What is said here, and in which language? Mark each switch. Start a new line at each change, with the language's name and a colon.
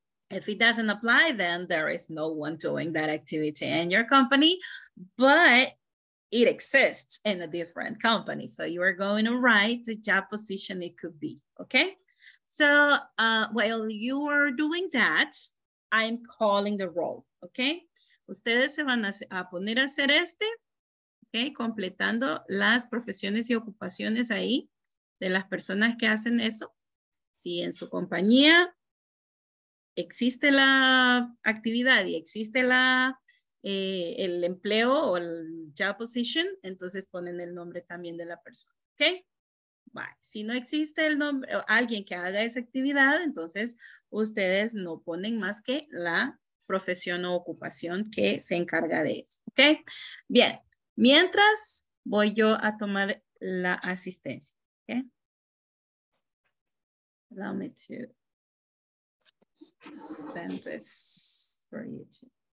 English: If it doesn't apply, then there is no one doing that activity in your company, but it exists in a different company. So you are going to write the job position it could be, okay? So while you are doing that, I'm calling the role, okay?
Spanish: Ustedes se van a poner a hacer este, okay? Completando las profesiones y ocupaciones ahí de las personas que hacen eso. Si en su compañía existe la actividad y existe la el empleo o el job position, entonces ponen el nombre también de la persona, okay? Bye. Si no existe el nombre o alguien que haga esa actividad, entonces ustedes no ponen más que la profesión o ocupación que se encarga de eso, okay? Bien, mientras voy yo a tomar la asistencia, okay?
English: Allow me to send this for you to.